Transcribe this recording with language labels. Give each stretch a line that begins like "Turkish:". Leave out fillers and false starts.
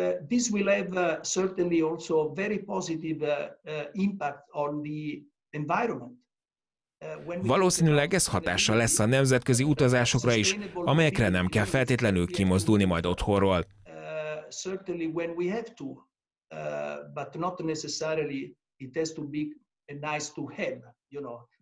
English: This will have certainly also a very positive impact on the environment.
Hungarian: Valószínűleg ez hatással lesz a nemzetközi utazásokra is, amelyekre nem kell feltétlenül kimozdulni majd otthonról.
English: Certainly when we have to, but not necessarily it has to be a nice to have, you know.